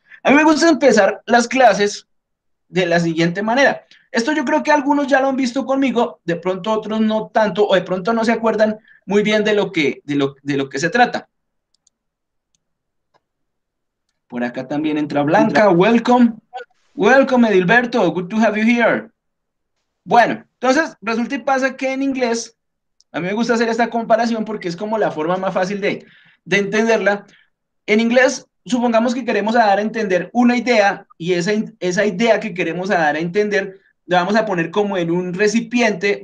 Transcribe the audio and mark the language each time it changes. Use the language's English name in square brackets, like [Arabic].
[Spanish] A mí me gusta empezar las clases de la siguiente manera. Esto yo creo que algunos ya lo han visto conmigo, de pronto otros no tanto, o de pronto no se acuerdan muy bien de lo que se trata. Por acá también entra Blanca, [English] welcome. Welcome, Edilberto, good to have you here. [Spanish] Bueno, entonces resulta y pasa que en inglés, a mí me gusta hacer esta comparación porque es como la forma más fácil de entenderla. En inglés, supongamos que queremos dar a entender una idea y esa idea que queremos dar a entender la vamos a poner como en un recipiente.